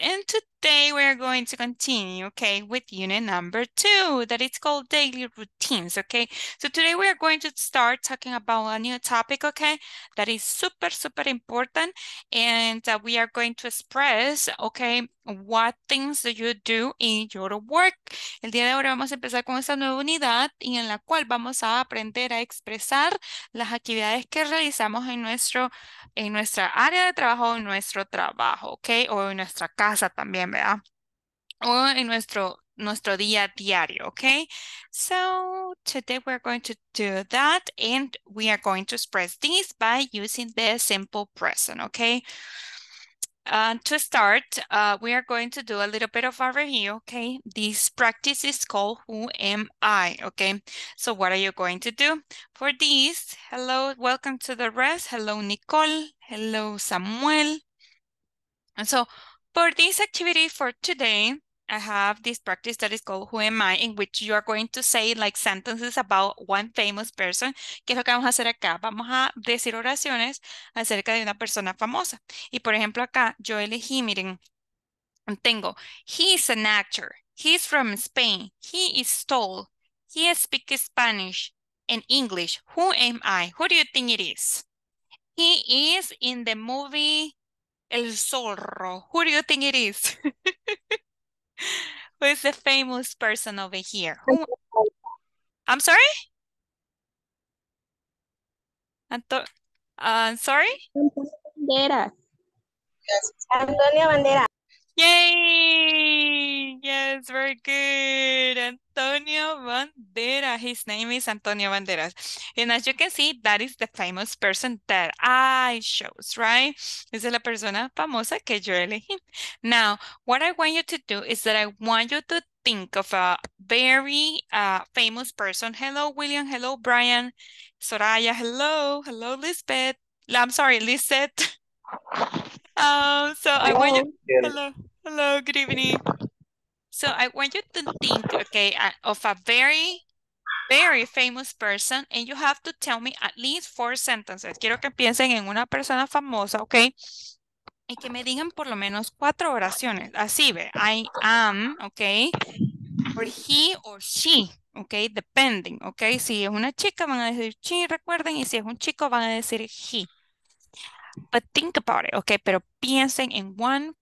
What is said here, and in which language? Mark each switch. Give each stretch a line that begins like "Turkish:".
English: And today we are going to continue, okay, with unit number 2 that it's called Daily Routines, okay? So today we are going to start talking about a new topic, okay, that is super, super important. And we are going to express, okay, what things do you do in your work.
Spanish: El día de hoy vamos a empezar con esta nueva unidad y en la cual vamos a aprender a expresar las actividades que realizamos en nuestra área de trabajo, en nuestro trabajo, okay, o en nuestra casa también, ¿verdad? O en nuestro día a diario, okay?
English: So today we're going to do that and we are going to express this by using the simple present, okay? To start, we are going to do a little bit of a review, okay? This practice is called Who Am I, okay? So what are you going to do? For this, hello, welcome to the rest. Hello, Nicole. Hello, Samuel. And so for this activity for today, I have this practice that is called Who Am I, in which you are going to say like sentences about one famous person.
Spanish: ¿Qué es lo que vamos a hacer acá? Vamos a decir oraciones acerca de una persona famosa. Y por ejemplo, acá yo elegí, miren, tengo,
English: he's an actor, he's from Spain, he is tall, he speaks Spanish and English. Who am I? Who do you think it is? He is in the movie El Zorro. Who do you think it is? Who is the famous person over here? Who? I'm sorry? Anto I'm sorry? Banderas. Antonio Banderas. Yay! Yes, very good. Antonio Banderas. His name is Antonio Banderas. And as you can see, that is the famous person that I chose, right?
Spanish: Esa es la persona famosa que yo elegí.
English: Now, what I want you to do is that I want you to think of a very famous person. Hello, William. Hello, Brian. Soraya. Hello. Hello, Lisbeth. I'm sorry, Lisette. So I want you. Hello. Hello, hello, good evening. So I want you to think, okay, of a very, very famous person, and you have to tell me at least 4 sentences.
Spanish: Quiero que piensen en una persona famosa, okay? Y que me digan por lo menos 4 oraciones. Así ve,
English: I am, okay, or he or she, okay, depending, okay.
Spanish: Si es una chica, van a decir she, recuerden, y si es un chico, van a decir he.
English: But think about it, okay,
Spanish: pero piensen en one